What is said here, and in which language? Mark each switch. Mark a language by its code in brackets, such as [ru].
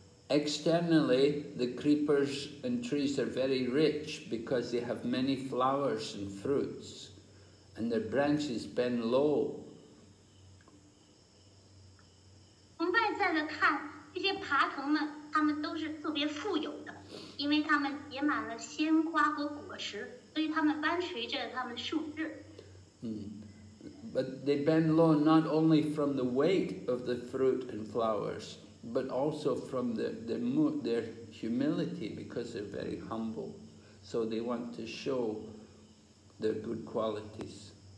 [en] Externally, the creepers and trees are very rich because they have many flowers and fruits, and their branches bend low. [zh] 从外在的看，这些爬藤们，它们都是特别富有的，因为它们结满了鲜花和果实，所以它们弯曲着它们的树枝。 [en] But they bend low not only from the weight of the fruit and flowers, but also from their humility, because they're very humble. So they want to show their good qualities.